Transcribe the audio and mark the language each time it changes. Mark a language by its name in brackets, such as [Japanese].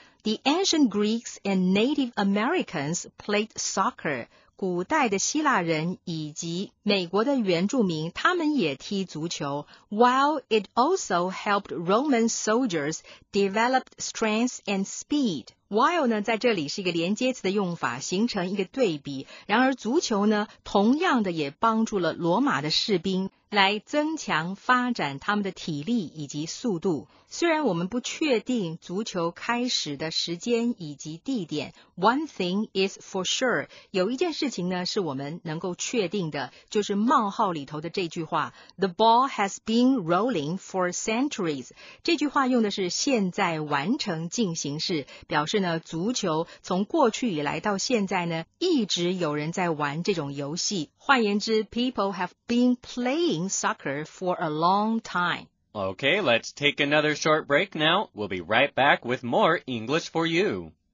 [English] The ancient Greeks and Native Americans played soccer. [Chinese] 古代的希腊人以及美国的原住民，他们也踢足球。 [English] While it also helped Roman soldiers develop strength and speed. [Chinese] While 呢，在这里是一个连接词的用法，形成一个对比。然而足球呢，同样的也帮助了罗马的士兵来增强发展他们的体力以及速度。虽然我们不确定足球开始的时间以及地点， [English] One thing is for sure， [Chinese] 有一件事情呢是我们能够确定的，就是冒号里头的这句话 [English] The ball has been rolling for centuries。 [Chinese] 这句话用的是现在完成进行式，表示呢足球从过去以来到现在呢一直有人在玩这种游戏。换言之， [English] People have been playing soccer for a long time。 Okay, let's take another short break now. We'll be right back with more English for you.